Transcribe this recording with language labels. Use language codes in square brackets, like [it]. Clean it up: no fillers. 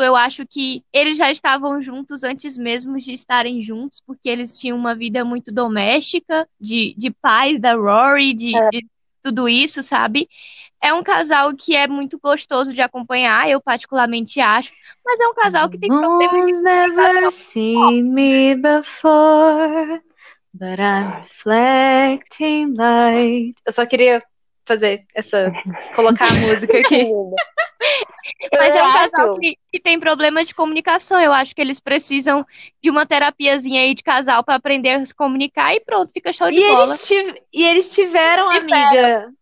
[pt] Eu acho que eles já estavam juntos antes mesmo de estarem juntos, porque eles tinham uma vida muito doméstica, de pais, da Rory, de tudo isso, sabe? É um casal que é muito gostoso de acompanhar, eu particularmente acho, mas é um casal que tem problemas de [en] never seen me before, but I'm reflecting light. [pt] Eu só queria fazer essa, colocar a música aqui. Mas é um casal que tem problema de comunicação. Eu acho que eles precisam de uma terapiazinha aí de casal pra aprender a se comunicar e pronto, fica show de e bola. Eles tiveram, amiga.